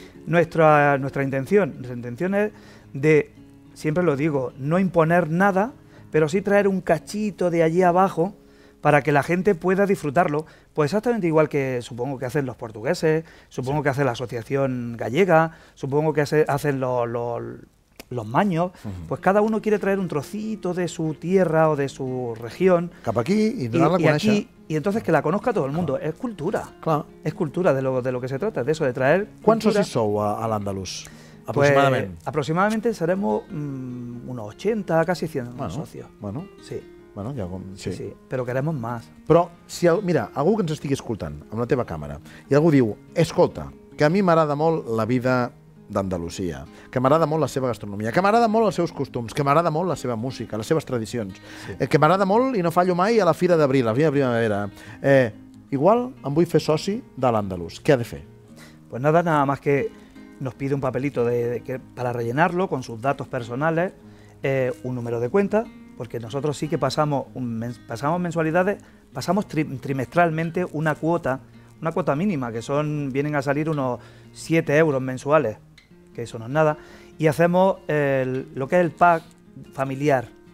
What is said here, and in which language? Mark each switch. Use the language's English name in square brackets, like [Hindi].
[Spanish] Nuestra intención es de, siempre lo digo, no imponer nada, pero sí traer un cachito de allí abajo para que la gente pueda disfrutarlo, pues exactamente igual que supongo que hacen los portugueses, supongo, sí, que hace la asociación gallega, supongo que hacen los maños, uh-huh, pues cada uno quiere traer un trocito de su tierra o de su región. [Catalan] Cap aquí y darla a conèixer. [Spanish] Y entonces que la conozca todo el mundo. Claro. Es cultura. Claro. Es cultura de lo que se trata, de eso, de traer. ¿Cuántos socios sou a l'Andalús? Aproximadamente. Pues, aproximadamente seremos unos 80, casi 100, bueno, socios. Bueno, sí. [Catalan] Bueno, ja, com, sí. [Spanish] Sí, sí, però queremos más. [Catalan] Però, si, mira, algú que ens estigui escoltant amb la teva càmera i algú diu, escolta, que a mi m'agrada molt la vida d'Andalusia, que m'agrada molt la seva gastronomia, que m'agrada molt els seus costums, que m'agrada molt la seva música, les seves tradicions, sí, que m'agrada molt i no fallo mai a la Fira d'Abril, la Fira de Primavera, igual em vull fer soci de l'Andalus. Què ha de fer? [Spanish] Pues nada más que... Nos pide un papelito de para rellenarlo con sus datos personales, un número de cuenta, porque nosotros sí que pasamos mensualidades, pasamos trimestralmente una cuota mínima, que vienen a salir unos 7 euros mensuales, que eso no es nada, y hacemos lo que es el pack familiar,